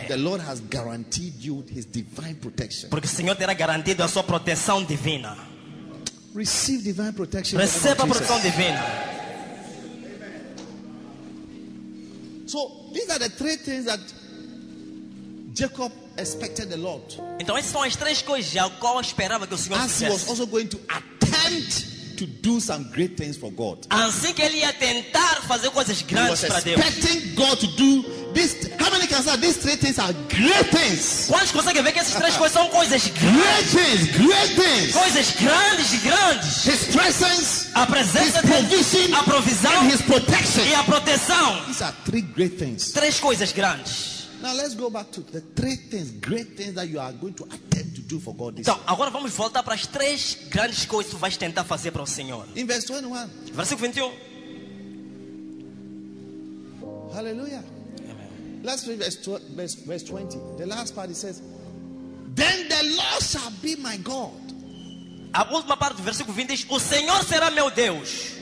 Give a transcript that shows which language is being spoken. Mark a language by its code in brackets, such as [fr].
[en] But the Lord has guaranteed you His divine protection. [pt] Porque o Senhor terá garantido a sua proteção divina. [en] Receive divine protection. [pt] Receba a proteção divina. [en] So these are the three things that Jacob expected the Lord. [pt] Então essas são as três coisas que Jacob esperava que o Senhor fizesse. [en] As he was also going to attempt to do some great things for God. [pt] Assim que ele ia tentar fazer coisas grandes para Deus. [en] He was expecting God to do this. How many can say these three things are great things? [pt] Quantos conseguem ver que essas três coisas são coisas grandes? [en] Great things, great things. [pt] Coisas grandes, grandes. [en] His presence, [pt] a presença dele, [en] provision, [pt] a provisão, [en] his protection, [pt] e a proteção. [en] These are three great things. [pt] Três coisas grandes. [en] Now let's go back to the three things, great things that you are going to attempt to do for God this year. [pt] Então, agora vamos voltar para as três grandes coisas que tu vais tentar fazer para o Senhor. [en] In verse 21. [pt] Versículo 21. [en] Hallelujah. Amen. Let's read verse 20. The last part it says, then the Lord shall be my God. [pt] A última parte do versículo 20 diz, o Senhor será meu Deus.